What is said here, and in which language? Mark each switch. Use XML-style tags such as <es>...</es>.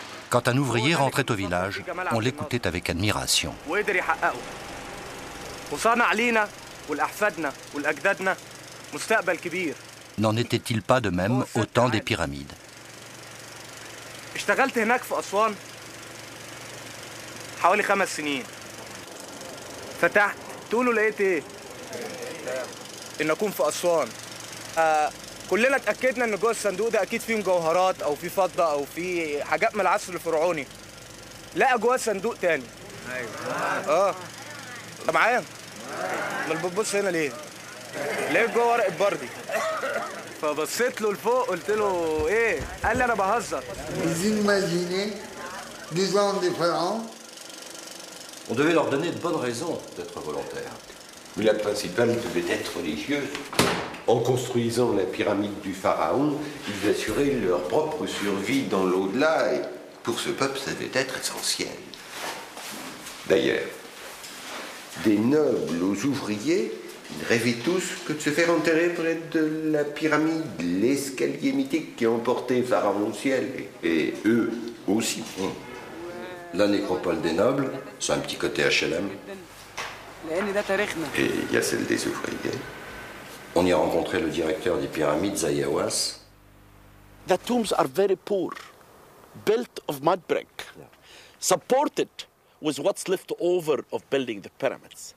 <fr>Quand un ouvrier rentrait au village, on l'écoutait avec admiration.</fr> <ar>وصنع لينا والأحفادنا والأجدادنا مستقبل كبير.</ar> <fr>N'en était-il pas de même au temps des pyramides?</fr> <ar>اشتغلت هناك في أسوان حوالي خمس سنين. فتحت تقولوا لقيت ايه؟ ان اكون في اسوان. كلنا اتاكدنا ان جوه الصندوق ده اكيد فيه مجوهرات او فيه فضه او فيه حاجات من العصر الفرعوني. لقى جوه صندوق تاني. ايوه. انت معايا؟ ما بتبص هنا ليه؟ لقيت جوه ورقه بردي. فبصيت له لفوق قلت له ايه؟ قال لي انا بهزر.</ar> <fr>On devait leur donner de bonnes raisons d'être volontaires. Mais la principale devait être religieuse. En construisant la pyramide du pharaon, ils assuraient leur propre survie dans l'au-delà, et pour ce peuple, ça devait être essentiel. D'ailleurs, des nobles aux ouvriers, ils rêvaient tous que de se faire enterrer près de la pyramide, l'escalier mythique qui emportait pharaon au ciel, et eux aussi. La nécropole des nobles, c'est un petit côté HLM. Et il y a celle des ouvriers. On y a rencontré le directeur des pyramides, Zayawas.</fr> <en>The tombs are very poor, built of mud brick, supported with what's left over of building the pyramids.</en>